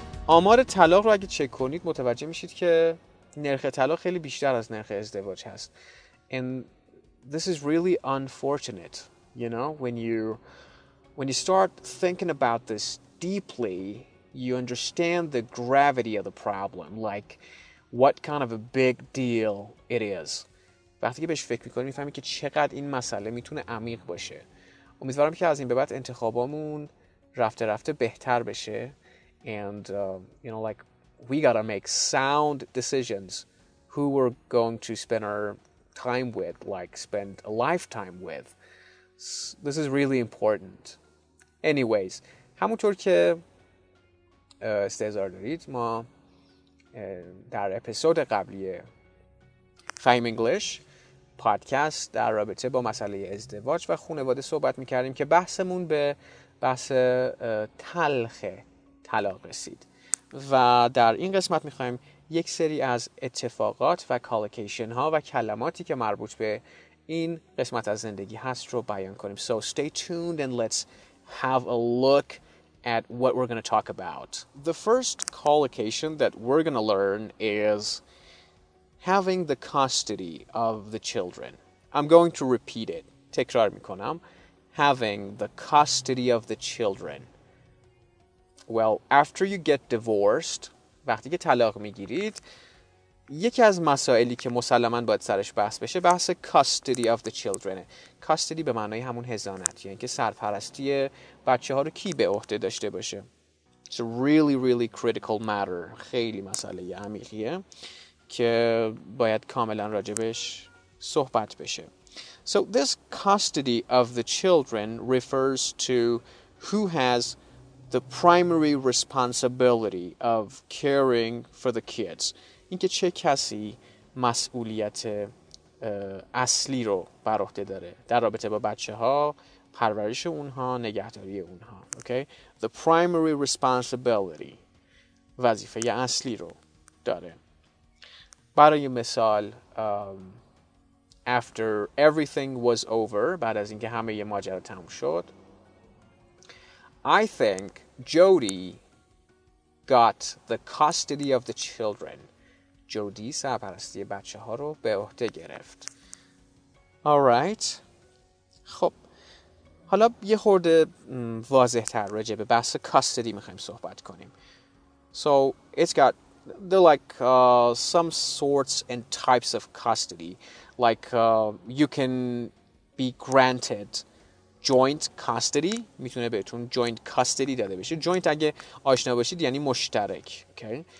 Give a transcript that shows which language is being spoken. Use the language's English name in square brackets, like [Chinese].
[Persian] آمار طلاق رو اگه چک کنید متوجه میشید که نرخ طلاق خیلی بیشتر از نرخ ازدواج هست. [English] And this is really unfortunate, you know, when you start thinking about this deeply, you understand the gravity of the problem, like what kind of a big deal it is. [Persian] وقتی که بهش فکر میکنید میفهمید که چقدر این مسئله میتونه عمیق باشه. امیدوارم که از این به بعد انتخابامون رفته رفته بهتر بشه. [English] And, you know, like, we gotta make sound decisions who we're going to spend our time with, like, spend a lifetime with. This is really important. Anyways, [Persian] همونطور که استعذار دارید ما در اپیزود قبلی فهم انگلیش پادکست در رابطه با مسئله ازدواج و خانواده صحبت میکردیم که بحثمون به بحث تلخه طلاق رسید و در این قسمت میخوایم یک سری از اتفاقات و کالوکیشن ها و کلماتی که مربوط به این قسمت از زندگی هست رو بیان کنیم. [English] So stay tuned and let's have a look at what we're going to talk about. The first collocation that we're going to learn is having the custody of the children. I'm going to repeat it. [Persian] تکرار میکنم. [English] Having the custody of the children. Well, after you get divorced, [Persian] وقتی که طلاق میگیرید یکی از مسائلی که مسلماً باید سرش بحث بشه بحث [English] custody of the children. [Persian] Custody به معنای همون حضانت، یعنی که سرپرستی بچه ها رو کی به عهده داشته باشه. [English] It's a really, really critical matter. [Persian] خیلی مسئله عمیقیه که باید کاملاً راجبش صحبت بشه. [English] So this custody of the children refers to who has the primary responsibility of caring for the kids. [Persian] اینکه چه کسی مسئولیت اصلی رو بر عهده داره در رابطه با بچه‌ها، پرورش اونها، نگهداری اونها. [English] Okay, the primary responsibility. [Persian] وظیفه اصلی رو داره. برای مثال [English] after everything was over, [Persian] بعد از اینکه همه یه ماجرا تموم شد, [English] I think Jody got the custody of the children. [Persian] Jody سرپرستی بچه ها رو به عهده گرفت. [English] Alright. [Persian] خب. حالا یه خورده واضح تر راجع به بحث custody میخواییم صحبت کنیم. [English] So it's got, they're like some sorts and types of custody. Like you can be granted joint custody. [Persian] میتونه بهتون joint custody داده بشه. Joint اگه آشنا باشید یعنی مشترک. Okay.